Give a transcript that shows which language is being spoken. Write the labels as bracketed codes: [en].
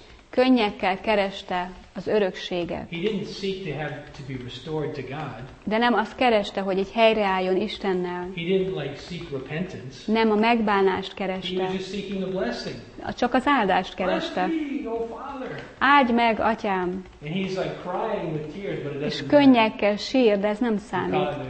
[hu] Könnyekkel kereste az örökséget. [en] He didn't seek to have to be restored to God. [hu] De nem azt kereste, hogy egy helyreálljon Istennel. [en] He didn't like seek repentance. [hu] Nem a megbánást kereste. [en] He was just seeking a blessing. [hu] Csak az áldást kereste. [en] Bless me, oh Father. [hu] Áldj meg, Atyám. [en] And he's like crying with tears, but it doesn't [hu] És könnyekkel sír, de ez nem számít.